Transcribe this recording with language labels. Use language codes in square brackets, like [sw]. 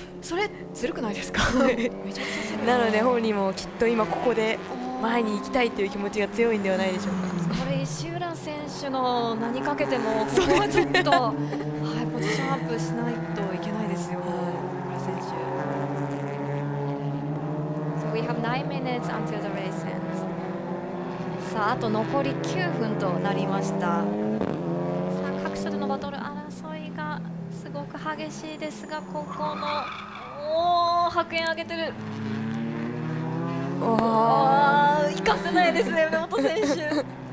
[ja] それずるくないですかなので本人もきっと今ここで前に行きたいという気持ちが強いんではないでしょうか。これ石浦選手の名にかけてもここはちょっとポジションアップしないといけないですよ、はい、選手。 [en] So we have 9 minutes until the race ends. [ja] さああと残り9分となりました。さあ各所でのバトル争いがすごく激しいですが、ここのおー白煙上げてる、おー行かせないですね梅本選手